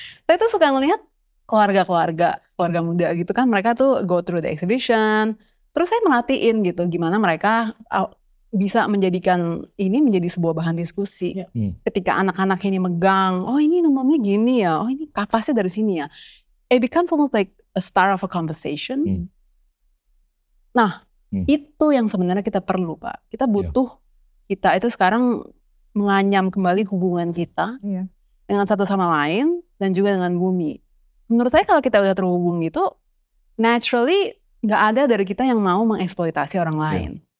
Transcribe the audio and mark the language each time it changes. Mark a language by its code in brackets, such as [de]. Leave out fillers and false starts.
[id] Saya tuh suka ngelihat keluarga muda gitu kan, mereka tuh [en] go through the exhibition. [id] Terus saya melatihin gitu gimana mereka bisa menjadikan ini menjadi sebuah bahan diskusi. Ketika anak-anak ini megang, oh ini namanya gini ya, oh ini kapasnya dari sini ya. [en] It becomes almost like a start of a conversation. [id] Nah, itu yang sebenarnya kita perlu, Pak. Kita butuh kita itu sekarang menganyam kembali hubungan kita dengan satu sama lain dan juga dengan bumi. Menurut saya kalau kita udah terhubung gitu, naturally gak ada dari kita yang mau mengeksploitasi orang lain.